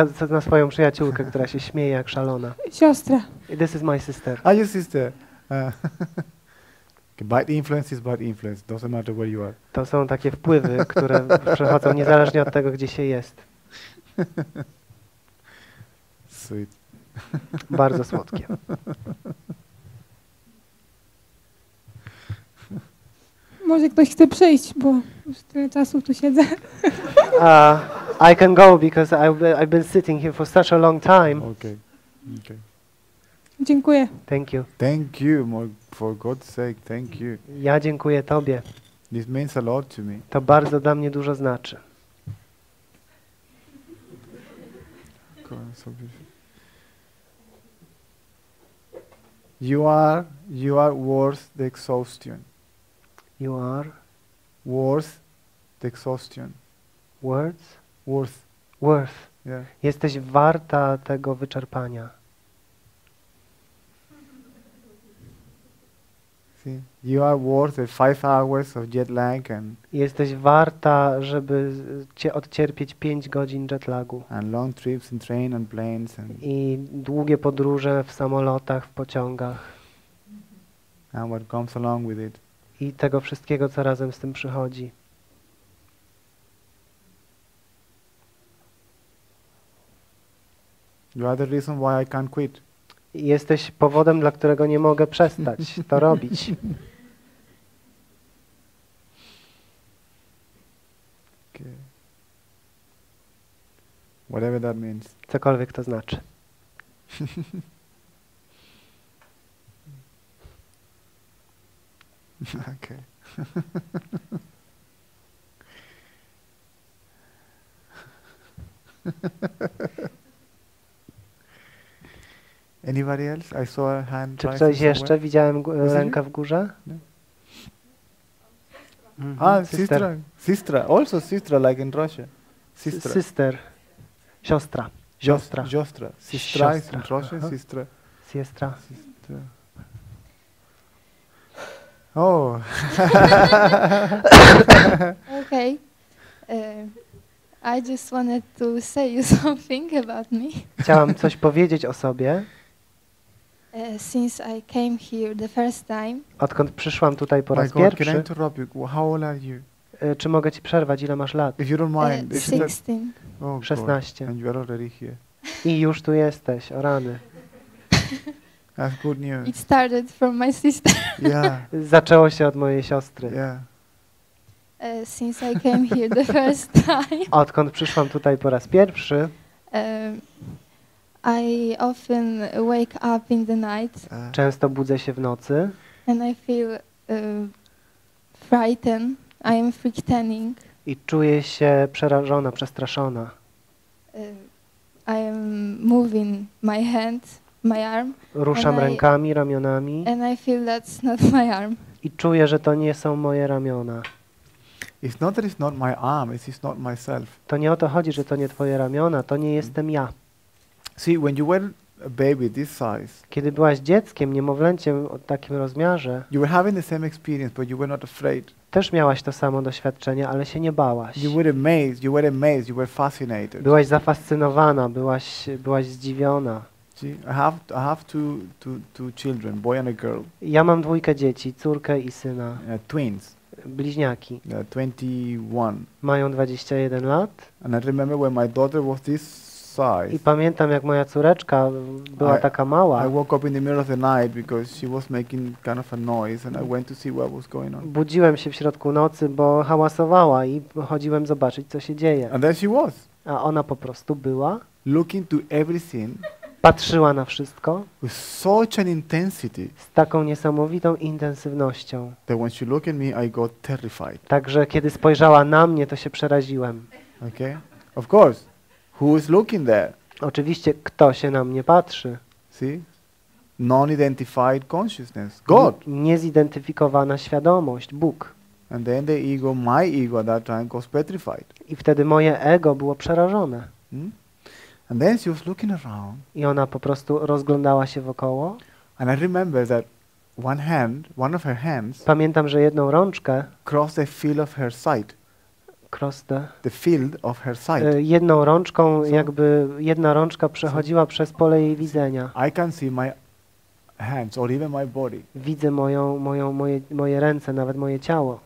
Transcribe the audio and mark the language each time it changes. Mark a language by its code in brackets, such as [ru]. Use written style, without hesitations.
[pl] Na swoją przyjaciółkę, która się śmieje jak szalona. Siostra. [en] This is my sister. Are your sister? Bad influence is bad influence. Doesn't matter where you are. [pl] To są takie wpływy, które przechodzą niezależnie od tego, gdzie się jest. [en] Sweet. [pl] Bardzo słodkie. Może ktoś chce przyjść, bo już tyle czasu tu siedzę. [en] I can go because I've been sitting here for such a long time. Okay. Okay. [pl] Dziękuję. [en] Thank you. Thank you, for God's sake, thank you. [pl] Ja dziękuję tobie. [en] This means a lot to me. [pl] To bardzo dla mnie dużo znaczy. [en] You are worth the exhaustion. You are worth the exhaustion. Words? Worth. Worth. Yeah. [pl] Jesteś warta tego wyczerpania. [en] See? You are worth the 5 hours of jet lag and. [pl] Jesteś warta, żeby cię odcierpieć 5 godzin jet lagu. [en] And long trips in train and planes and. [pl] I długie podróże w samolotach, w pociągach. [en] And what comes along with it. [pl] I tego wszystkiego, co razem z tym przychodzi. [en] You are the reason why I can't quit. [pl] Jesteś powodem, dla którego nie mogę przestać to robić. [en] Whatever that means. [pl] Cokolwiek to znaczy. [en] Okay. Anybody else? I saw a hand. [pl] Czy ktoś jeszcze [en] somewhere? [pl] Widziałem rękę w górze? [en] Mm-hmm. Ah, sister. Also sister, like in Russia. Sister. Sister. [pl] Siostra. Siostra. Siostra. Siostra. Siostra. Siostra. Siostra. Siostra. Siostra. Siostra. Siostra. [en] Oh. Okay. I just wanted to say you something about me. [pl] Chciałam coś powiedzieć o sobie. [en] Since I came here the first time. [pl] Odkąd przyszłam tutaj po raz pierwszy. [en] Can I interrupt you? How old are you? [pl] Czy mogę ci przerwać? Ile masz lat? [en] If you don't mind, 16. Oh, 16. And you are already here. [pl] I już tu jesteś, o rany. [en] That's good news. It started from my sister. Yeah. [pl] Zaczęło się od mojej siostry. [en] Yeah. Since I came here the first time. [pl] Odkąd przyszłam tutaj po raz pierwszy. [en] I often wake up in the night. [pl] Często budzę się w nocy. [en] And I feel frightened. I am freaking. [pl] I czuję się przerażona, przestraszona. [en] I am moving my hand, my arm. [pl] Ruszam rękami, ramionami. [en] And I feel that's not my arm. [pl] I czuję, że to nie są moje ramiona. [en] It's not that it's not my arm, it's not myself. [pl] To nie o to chodzi, że to nie twoje ramiona, to nie jestem ja. [en] See, when you were a baby this size. [pl] Kiedy byłaś dzieckiem, niemowlęciem o takim rozmiarze. [en] You were having the same experience, but you were not afraid. [pl] Też miałaś to samo doświadczenie, ale się nie bałaś. [en] You were amazed, you were amazed, you were fascinated. [pl] Byłaś zafascynowana, byłaś zdziwiona. [en] See, I have two children, boy and a girl. [pl] Ja mam dwójkę dzieci, córkę i syna. [en] Twins. [pl] Bliźniaki. [en] 21. [pl] Mają 21 lat. [en] And I remember when my daughter was this size. [pl] I pamiętam, jak moja córeczka była taka mała. [en] I woke up in the middle of the night because she was making kind of a noise and I went to see what was going on. [pl] Budziłem się w środku nocy, bo hałasowała i chodziłem zobaczyć, co się dzieje. [en] And there she was. [pl] A ona po prostu była. [en] Looking to everything. [pl] Patrzyła na wszystko. [en] With such an intensity. [pl] Z taką niesamowitą intensywnością. [en] That when she looked at me, I got terrified. [pl] Także kiedy spojrzała na mnie, to się przeraziłem. [en] Okay. Of course. Who is looking there? [pl] Oczywiście, kto się na mnie patrzy? [en] See? Non-identified consciousness. God. [pl] Niezidentyfikowana świadomość, Bóg. [en] And then the ego, my ego at that time was petrified. [pl] I wtedy moje ego było przerażone. [en] And then she was looking around. [pl] I ona po prostu rozglądała się wokoło. [en] And I remember that one hand, one of her hands. [pl] Pamiętam, że jedną rączkę [en] crossed the field of her sight. The field of her sight. [pl] Jedną rączką, so, jakby jedna rączka przechodziła so, przez pole jej widzenia. [en] I can see my hands or even my body. [pl] Widzę moje ręce, nawet moje ciało.